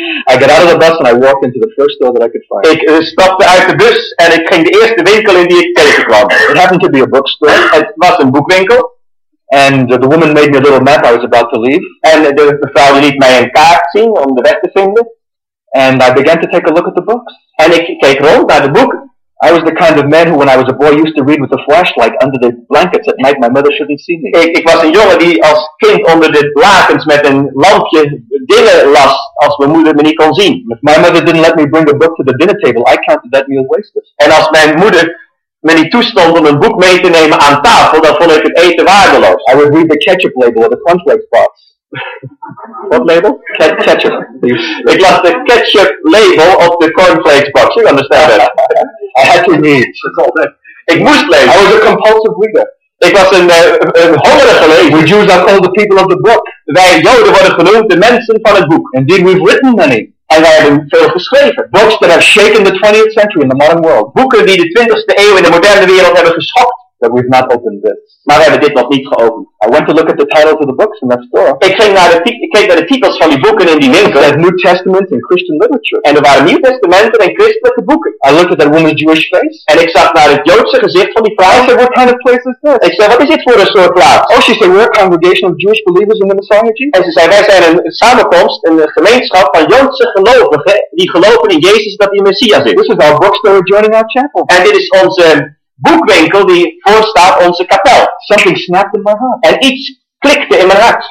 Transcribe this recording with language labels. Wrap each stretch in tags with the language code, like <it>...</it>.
<en>I got out of the bus and I walked into the first store that I could find.</en> <nl>Ik stapte uit de bus en ik ging de eerste winkel in die ik tegenkwam.</nl> <en>It happened to be a bookstore.</en> <nl>Het was een boekwinkel.</nl> <en>And the woman made me a little map. I was about to leave.</en> <nl>En de vrouw liet mij een kaart zien om de weg te vinden.</nl> <en>And I began to take a look at the books.</en> <nl>En ik keek rond naar de boeken.</nl> <en>I was the kind of man who, when I was a boy, used to read with a flashlight under the blankets at night. My mother shouldn't see me.</en> <nl>Ik was een jongen die als kind onder de lakens met een lampje dingen las als mijn moeder me niet kon zien.</nl> <en>If my mother didn't let me bring a book to the dinner table, I counted that meal wasted.</en> <nl>En als mijn moeder me niet toestond om een boek mee te nemen aan tafel, dan vond ik het eten waardeloos.</nl> <en>I would read the ketchup label or the cornflakes box. What label? Ketchup.</en> <nl>Ik las de ketchup label op de cornflakes box.</nl> <en>You understand that? I had to read.</en> <nl>Ik moest lezen.</nl> <en>I was a compulsive reader.</en> <nl>Ik was een hongerige lezer.</nl> <en>We Jews are called the people of the book.</en> <nl>Wij Joden worden genoemd de mensen van het boek.</nl> <en>Indeed, we've written many.</en> <nl>En wij hebben veel geschreven.</nl> <en>Books that have shaken the 20th century in the modern world.</en> <nl>Boeken die de 20ste eeuw in de moderne wereld hebben geschokt.</nl> <en>That we've not opened this.</en> <nl>Maar we hebben dit nog niet geopend.</nl> <en>I went to look at the titles of the books in that store.</en> <nl>Ik keek naar de titels van die boeken in die winkel.</nl> <en>They had New Testament and Christian literature.</en> <nl>En er waren Nieuw Testamenten en christelijke boeken.</nl> <en>I looked at that woman's Jewish face.</en> <nl>En ik zag naar het Joodse gezicht van die vrouw.</nl> <en>I said, what kind of place is this?</en> <nl>Ik zei, wat is dit voor een soort plaats?</nl> <en>Oh, she said, we're a congregation of Jewish believers in the Messiah.</en> <nl>En ze zei, wij zijn een samenkomst, een gemeenschap van Joodse gelovigen die geloven in Jezus dat hij Messias is.</nl> <en>This is our bookstore joining our chapel.</en> <nl>En dit is onze boekwinkel die voorstaat onze kapel.</nl> <en>Something snapped in my heart.</en> <nl>En iets klikte in mijn hart.</nl>